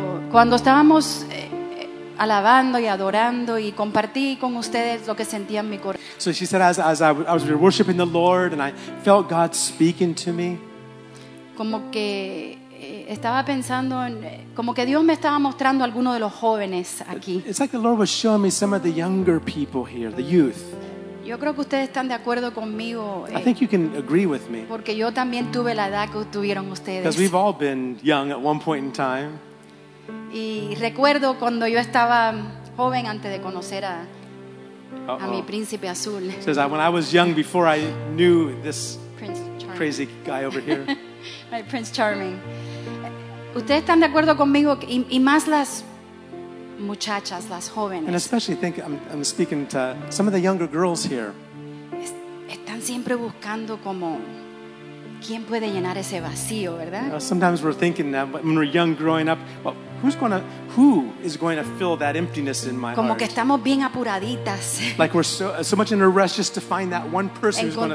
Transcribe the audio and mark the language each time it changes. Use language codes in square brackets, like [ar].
[es] Cuando estábamos alabando y adorando y compartí con ustedes lo que sentía en mi corazón. [en] So she said, as I was worshiping the Lord and I felt God speaking to me. [es] Como que estaba pensando en como que Dios me estaba mostrando a alguno de los jóvenes aquí. [en] It's like the Lord was showing me some of the younger people here, the youth. [es] Yo creo que ustedes están de acuerdo conmigo. [en] I think you can agree with me. [es] Porque yo también tuve la edad que tuvieron ustedes. [en] Because we've all been young at one point in time. [es] Y recuerdo cuando yo estaba joven antes de conocer a mi príncipe azul. [en] It says when I was young before I knew this crazy guy over here. My Prince Charming. [es] Ustedes están de acuerdo conmigo y más las muchachas, las jóvenes. [en] And especially think I'm speaking to some of the younger girls here. [es] Están siempre buscando como quién puede llenar ese vacío, ¿verdad? [en] You know, sometimes we're thinking that when we're young growing up, well, who is going to fill that emptiness in my heart? [es] Como que estamos bien apuraditas. [en] Like we're so much in a rush just to find that one person who's going to